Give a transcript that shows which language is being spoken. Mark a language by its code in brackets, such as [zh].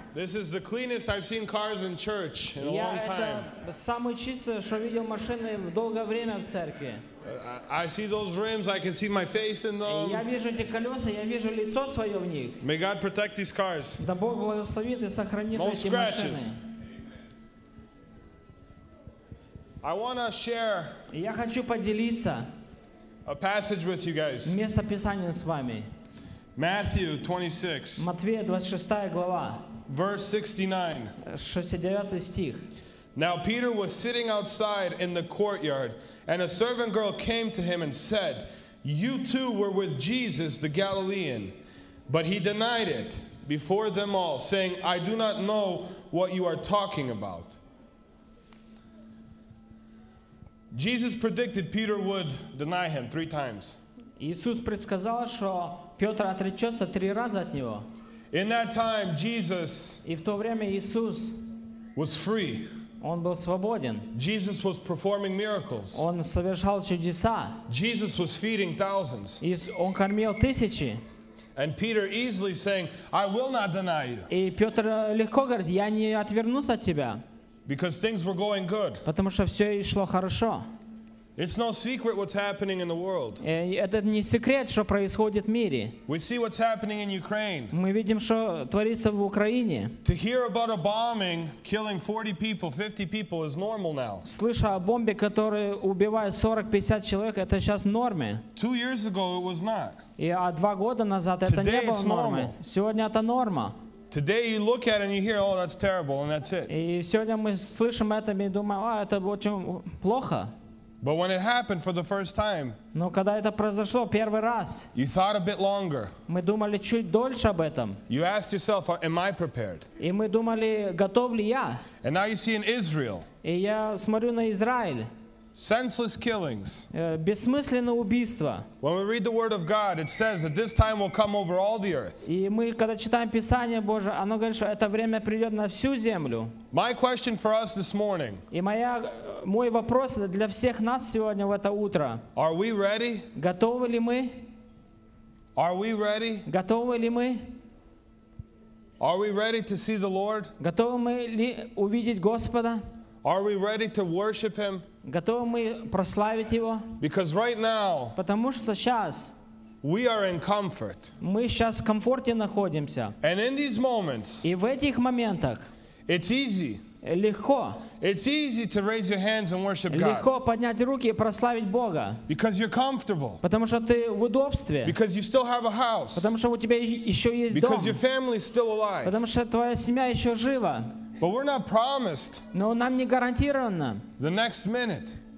[en] this is the cleanest I've seen cars in church in a long time. [ru] Это самое чистое, что видел машины в долгое время в церкви. [en] I see those rims. I can see my face in them. [ru] Я вижу эти колеса, я вижу лицо свое в них. [en] May God protect these cars. [ru] Да Бог благословит и сохранит эти машины. [en] No scratches. I want to share. [ru] Я хочу поделиться. [en] A passage with you guys. [ru] Место Писания с вами. [en] Matthew 26. [ru] Матфея 26 глава. [en] Verse 69. [ru] 69 стих. [en] Now Peter was sitting outside in the courtyard, and a servant girl came to him and said, "You too were with Jesus the Galilean." But he denied it before them all, saying, "I do not know what you are talking about." Jesus predicted Peter would deny him three times. [ru] Иисус предсказал, что Петр отречется три раза от него. [en] In that time, Jesus was free. [ru] Он был свободен. [en] Jesus was performing miracles. [ru] Он совершал чудеса. [en] Jesus was feeding thousands. [ru] Он кормил тысячи. [en] And Peter easily saying, "I will not deny you." [ru] И Петр легко говорит, я не отвернусь от тебя. [en] Because things were going good. [ru] Потому что все шло хорошо. [en] It's no secret what's happening in the world. [ru] Это не секрет, что происходит в мире. [en] We see what's happening in Ukraine. [ru] Мы видим, что творится в Украине. [en] To hear about a bombing killing 40 people, 50 people is normal now. [ru] Слыша о бомбе, которая убивает 40-50 человек, это сейчас норме. [en] 2 years ago it was not. [ru] И а 2 года назад это не было нормой. Сегодня это норма. [en] Today you look at it and you hear, "Oh, that's terrible," and that's it. [ru] И сегодня мы слышим это и думаем, а это очень плохо. [en] But when it happened for the first time, [ru] но когда это произошло первый раз, [en] you thought a bit longer. [ru] Мы думали чуть дольше об этом. [en] You asked yourself, "Am I prepared?" [ru] И мы думали, готов ли я? [en] And now you see in Israel. [ru] И я смотрю на Израиль. [en] Senseless killings. [ru] Бессмысленное убийство. [en] When we read the word of God, it says that this time will come over all the earth. [ru] И мы когда читаем Писание Божие, оно говорит, что это время придет на всю землю. [en] My question for us this morning. [ru] И мой вопрос для всех нас сегодня в это утро. [en] Are we ready? [ru] Готовы ли мы? [en] Are we ready? [ru] Готовы ли мы? [en] Are we ready to see the Lord? [ru] Готовы мы ли увидеть Господа? [en] Are we ready to worship Him? [ru] Готовы мы прославить Его? [en] Because right now, [ru] потому что сейчас [en] we are in comfort. [ru] Мы сейчас в комфорте находимся. [en] And in these moments, [ru] и в этих моментах [en] it's easy. [ru] Легко. [en] It's easy to raise your hands and worship God. [ru] Легко поднять руки и прославить Бога. [en] Because you're comfortable. [ru] Потому что ты в удобстве. [en] Because you still have a house. [ru] Потому что у тебя еще есть [en] Because [ru] дом. [en] Because your family's still alive. [ru] Потому что твоя семья еще жива. [en] But we're not promised. [ru] Но нам не гарантировано. [en] The next minute.